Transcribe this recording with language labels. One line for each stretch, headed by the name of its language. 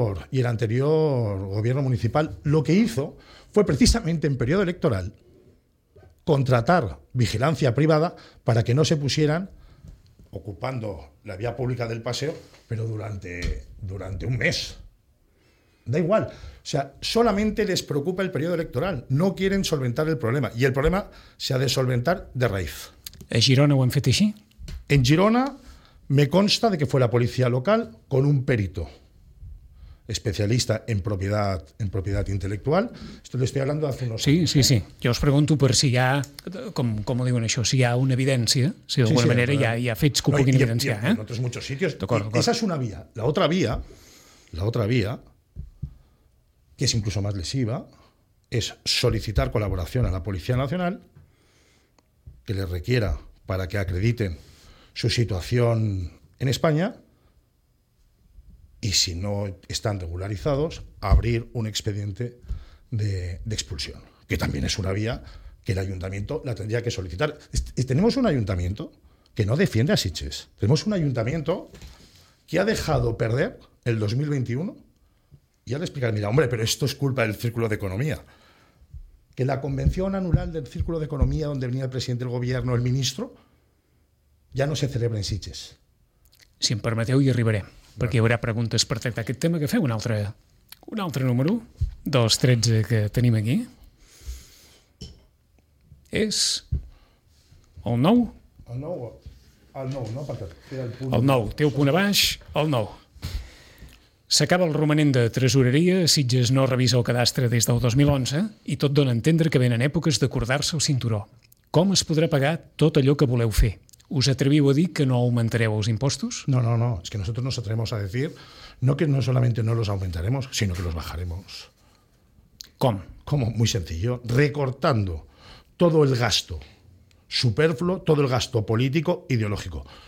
Spanish: Y el anterior gobierno municipal lo que hizo fue precisamente en periodo electoral contratar vigilancia privada para que no se pusieran ocupando la vía pública del paseo, pero durante un mes. Da igual. O sea, solamente les preocupa el periodo electoral. No quieren solventar el problema. Y el problema se ha de solventar de raíz. ¿En Girona o en Fetichí? En Girona me consta de que fue la policía local con un perito especialista en propiedad intel·lectual. Esto le estoy hablando hace unos sí, años. Sí, sí, sí.
Catalan: Jo us pregunto per si hi ha, com ho diuen això, si hi ha una evidència, si d'alguna sí, manera hi ha fets que ho puguin evidenciar. En altres
Spanish: muchos sitios. Esa es una vía. La otra vía, que es incluso más lesiva, es solicitar colaboración a la Policía Nacional que les requiera para que acrediten su situación en España y si no están regularizados, abrir un expediente de expulsión, que también es una vía que el ayuntamiento la tendría que solicitar. Tenemos un ayuntamiento que no defiende a Sitges. Tenemos un ayuntamiento que ha dejado perder el 2021 y ha de explicar, mira, hombre, pero esto es culpa del Círculo de Economía. Que la convención anual del Círculo de Economía, donde venía el presidente del gobierno, el ministro, ja no se celebra en Sitges.
Catalan: Si em permeteu, hi arribaré, perquè hi haurà preguntes per tractar aquest tema. Que feu un altre número dels 13 que tenim aquí? És el 9? El 9, el 9 no? Perquè té el punt... El 9, té el punt a baix, el 9. S'acaba el romanent de tresoreria, Sitges no revisa el cadastre des del 2011 i tot dona a entendre que venen èpoques d'acordar-se el cinturó. Com es podrà pagar tot allò que voleu fer?
Spanish: ¿Os atrevíos a decir que no aumentaremos los impuestos? No, no, no. Es que nosotros nos atrevemos a decir no que no solamente no los aumentaremos, sino que los bajaremos. ¿Cómo? ¿Cómo? Muy sencillo. Recortando todo el gasto superfluo, todo el gasto político, ideológico.